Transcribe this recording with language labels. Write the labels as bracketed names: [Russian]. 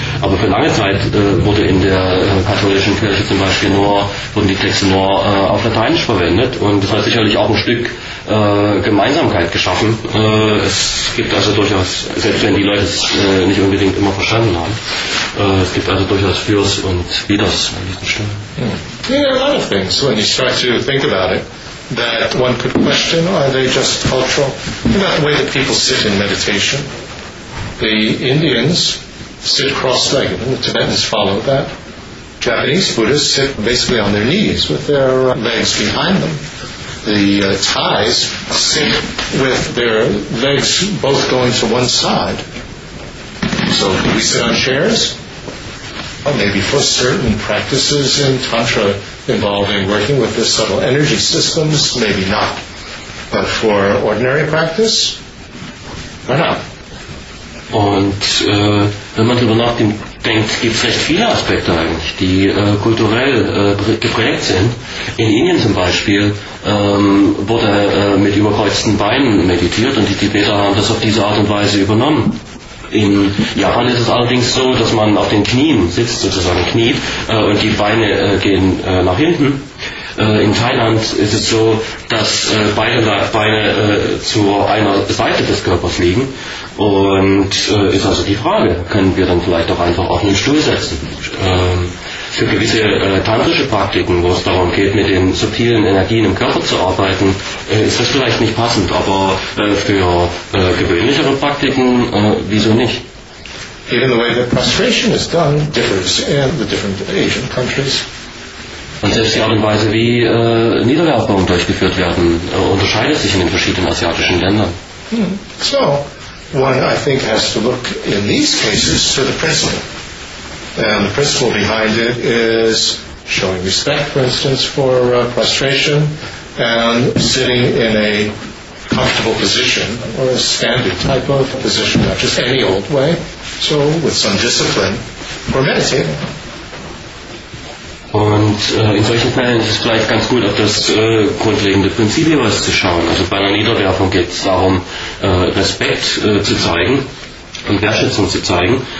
[German] Aber für lange Zeit wurde in der katholischen Kirche zum Beispiel wurden die Texte nur auf Lateinisch verwendet, und das hat sicherlich auch ein Stück Gemeinsamkeit geschaffen. Es gibt also durchaus, selbst wenn die Leute es nicht unbedingt immer verstanden haben, es gibt also durchaus Fürs und Widers an diesen Stellen. [English] Yeah, a lot of things, when you start to think about it, that one could question, are they just cultural? About the way that people sit in meditation. The Indians sit cross-legged, and the Tibetans follow that. Japanese Buddhists sit basically on their knees with their legs behind them. The Thais sit with their legs both going to one side. So, do we sit on chairs? Well, maybe for certain practices in Tantra involving working with the subtle energy systems, maybe not. But for ordinary practice, why not? [German] Und wenn man darüber nachdenkt, gibt es recht viele Aspekte eigentlich, die kulturell geprägt sind. In Indien zum Beispiel wurde mit überkreuzten Beinen meditiert, und die Tibeter haben das auf diese Art und Weise übernommen. In Japan ist es allerdings so, dass man auf den Knien sitzt, sozusagen kniet, und die Beine gehen nach hinten. In Thailand ist es so, dass beide Beine zu einer Seite des Körpers liegen. Und ist also die Frage, können wir dann vielleicht auch einfach auf einen Stuhl setzen? Für gewisse tantrische Praktiken, wo es darum geht, mit den subtilen Energien im Körper zu arbeiten, ist das vielleicht nicht passend. Aber für gewöhnlichere Praktiken, wieso nicht? [English] Even the way that prostration is done differs in the different Asian countries. [German] Und selbst die Art und Weise, wie Niederwerfungen durchgeführt werden, unterscheidet sich in den verschiedenen asiatischen Ländern. [English] So, one, I think, has to look in these cases to the principle. And the principle behind it is showing respect, for instance, for prostration, and sitting in a comfortable position, or a standard type of position, not just any old way, so with some discipline for meditating. [German] Und in solchen Fällen ist es vielleicht ganz gut, auf das grundlegende Prinzip jeweils zu schauen. Also bei einer Niederwerfung geht es darum, Respekt zu zeigen und Wertschätzung zu zeigen.